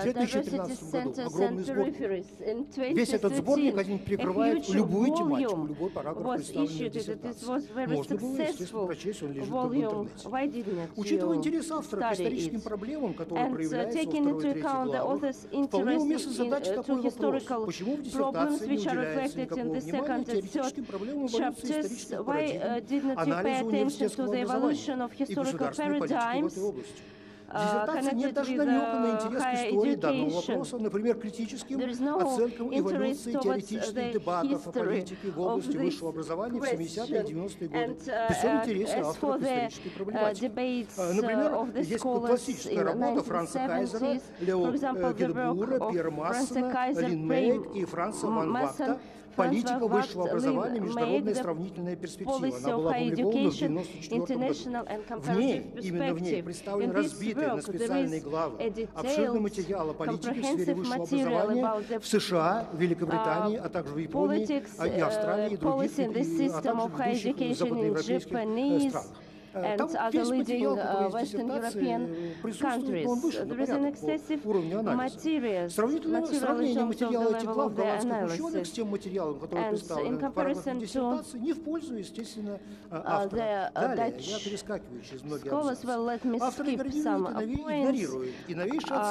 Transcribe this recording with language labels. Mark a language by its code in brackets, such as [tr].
[ru] В 2013 году огромный сборник. Весь этот сборник один перекрывает любую тематику, любой параграф представленной диссертации. Можно было, естественно, прочесть, он лежит в интернете. Учитывая интерес автора к историческим проблемам, которые проявляются во второй и третьей главе, вполне уместно задать такой вопрос. Почему в диссертации не уделяется никакого внимания теоретическим проблемам эволюции исторических проблем? [en] Why didn't you pay attention to the evolution of historical paradigms? [ru] Диссертация нет даже намека на интерес к истории данного вопроса, например, критическим оценкам эволюции теоретических дебатов о политике в области высшего образования в 70-е и 90-е годы. При всем интересе автора к исторической проблематике. Например, есть классическая работа Франца Кайзера, Лео Гедебура, Пьер Массена, Лин Мейк и Франца Ван Вахта. «Политика высшего образования. Международная сравнительная перспектива». Она была опубликована в 1994 году. В ней, именно в ней, представлены разбитые на специальные главы обширный материал о политике в сфере высшего образования в США, Великобритании, а также в Японии, и Австралии, и других, а также в ведущих западноевропейских странах. [en] And [ru] там [en] other leading Western European countries. There is an excessive material in terms of the level of the analysis. And in comparison to the Dutch scholars, well, let me skip some points.